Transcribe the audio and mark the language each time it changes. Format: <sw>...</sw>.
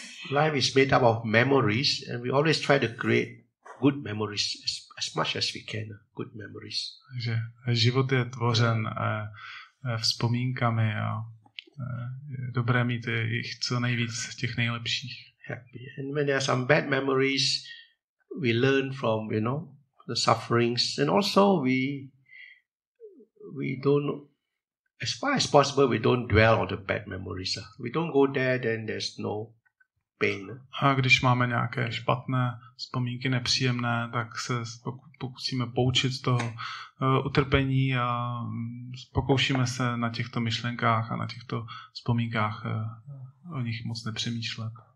<en>Life is made up of memories and we always try to create good memories as much as we can. Good memories.</en> <cs>Takže život je tvořen vzpomínkami a je dobré mít jich co nejvíc, těch nejlepších.</cs> <en>Happy. And when there are some bad memories, we learn from, you know, the sufferings. And also we don't, as far as possible, we don't dwell on the bad memories. We don't go there, then there's no pain.</en> <cs>A když máme nějaké špatné vzpomínky, nepříjemné, tak se pokusíme poučit z toho utrpení a pokoušíme se na těchto myšlenkách a na těchto vzpomínkách o nich moc nepřemýšlet.</cs>